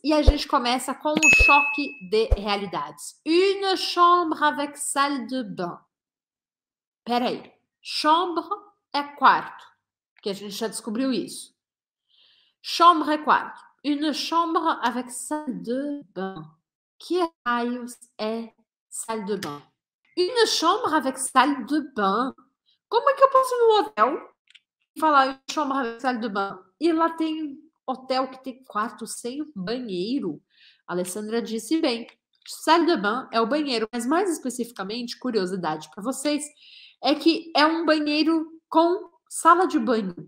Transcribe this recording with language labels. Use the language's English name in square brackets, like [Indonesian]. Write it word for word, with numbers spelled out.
[Portuguese] E a gente começa com um choque de realidades. [French] Une chambre avec salle de bain. [Portuguese] Peraí, chambre é quarto, que a gente já descobriu isso. Chambre é quarto. [French] Une chambre avec salle de bain. [Portuguese] Que raios é salle de bain? [French] Une chambre avec salle de bain. [Portuguese] Como é que eu posso ir no hotel? Falar, eu chamo a salle de bain. E lá tem hotel que tem quarto sem banheiro. A Alessandra disse bem. Salle de bain é o banheiro, mas mais especificamente, curiosidade para vocês, é que é um banheiro com sala de banho.